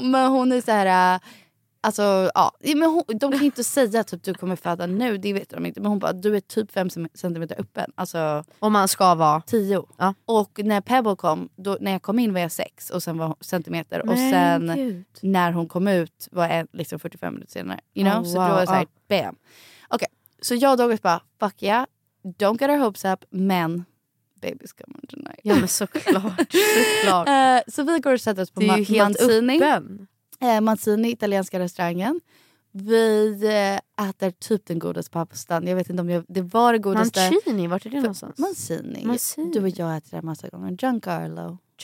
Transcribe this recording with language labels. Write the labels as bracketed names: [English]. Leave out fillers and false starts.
[Swedish] Men hon är så här, alltså, ja. Men hon, de kan inte säga att typ, du kommer föda nu, det vet de inte. Men hon bara, du är typ 5 centimeter öppen. Alltså, om man ska vara 10. Ja. Och när Pebble kom, då, när jag kom in var jag 6 och sen var centimeter. Men, och sen gud. När hon kom ut var jag liksom 45 minuter senare. [English] You know? Oh, wow. [Swedish] Så då var jag så här, bam. Okej, okay. Så jag och Douglas bara, [English] fuck yeah. Don't get our hopes up, [Swedish] men [English] baby's coming tonight. [Swedish] Ja, men såklart. Såklart. Så vi går och sätter oss på Mancini. Mancini, italienska restaurangen. Vi äter typ den godaste pastan. Jag vet inte om det var det godaste. Mancini, vart är det någonstans? Mancini. Du och jag äter det massa gånger. Giancarlo.